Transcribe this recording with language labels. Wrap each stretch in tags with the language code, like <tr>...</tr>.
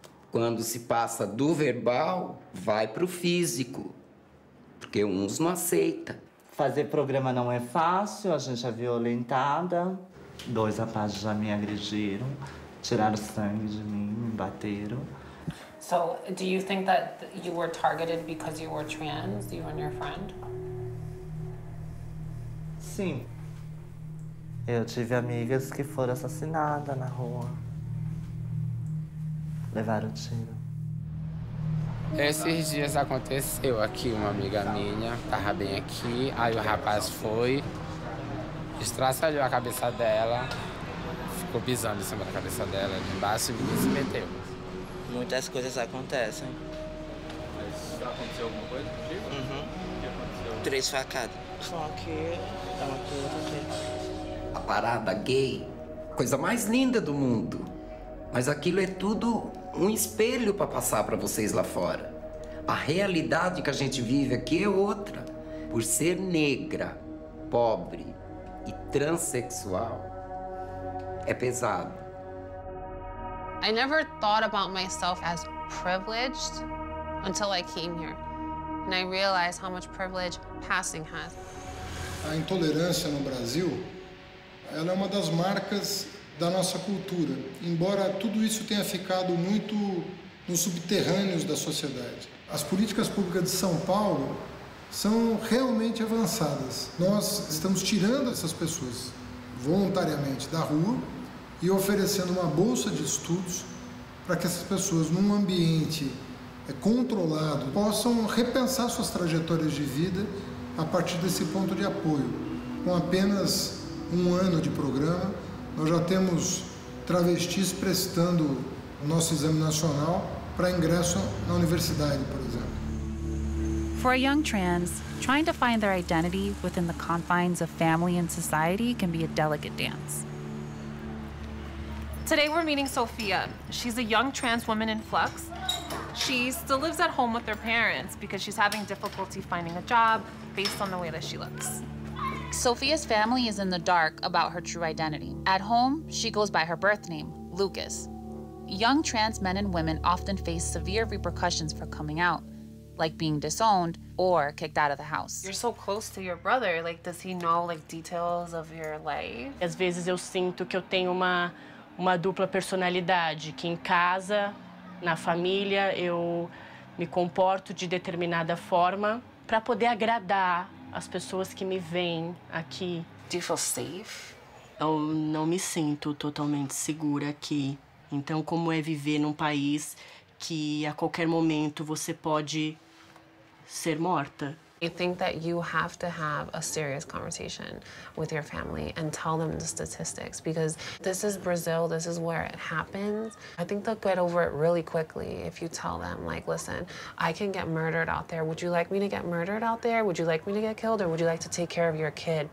<pt>Quando se passa do verbal, vai pro físico. Porque uns não aceita. Fazer programa não é fácil, a gente é violentada. Dois rapazes já me agrediram, tiraram sangue de mim, me bateram.</pt> <en>So, do you think that you were targeted because you were trans, you and your friend?</en> <pt>Sim. Eu tive amigas que foram assassinadas na rua. Levaram tiro. Esses dias aconteceu aqui, uma amiga minha tava bem aqui, aí o rapaz foi, estraçalhou a cabeça dela, ficou pisando em cima da cabeça dela, ali embaixo, e se meteu. Muitas coisas acontecem. Mas aconteceu alguma coisa contigo? Uhum. O que aconteceu? Três facadas. Só que tava tudo bem. A parada gay, coisa mais linda do mundo, mas aquilo é tudo um espelho para passar para vocês lá fora. A realidade que a gente vive aqui é outra. Por ser negra, pobre e transexual, é pesado.</pt> <en>I never thought about myself as privileged until I came here. And I realized how much privilege passing has.</en> <pt>A intolerância no Brasil, ela é uma das marcas da nossa cultura, embora tudo isso tenha ficado muito nos subterrâneos da sociedade. As políticas públicas de São Paulo são realmente avançadas. Nós estamos tirando essas pessoas voluntariamente da rua e oferecendo uma bolsa de estudos para que essas pessoas, num ambiente controlado, possam repensar suas trajetórias de vida a partir desse ponto de apoio. Com apenas um ano de programa, nós já temos travestis prestando o nosso exame nacional para ingresso na universidade, por exemplo.</pt> <en>For a young trans, trying to find their identity within the confines of family and society can be a delicate dance. Today we're meeting Sophia. She's a young trans woman in flux. She still lives at home with her parents because she's having difficulty finding a job based on the way that she looks. Sophia's family is in the dark about her true identity. At home, she goes by her birth name, Lucas. Young trans men and women often face severe repercussions for coming out, like being disowned or kicked out of the house. You're so close to your brother. Like, does he know, like, details of your life?</en> <pt>Às vezes eu sinto que eu tenho uma dupla personalidade, que em casa, na família, eu me comporto de determinada forma para poder agradar as pessoas que me veem aqui.</pt> <en>Do you feel safe?</en> <pt>Eu não me sinto totalmente segura aqui. Então, como é viver num país que a qualquer momento você pode ser morta?</pt> <en>You think that you have to have a serious conversation with your family and tell them the statistics, because this is Brazil, this is where it happens. I think they'll get over it really quickly if you tell them, like, listen, I can get murdered out there. Would you like me to get murdered out there? Would you like me to get killed? Or would you like to take care of your kid?</en>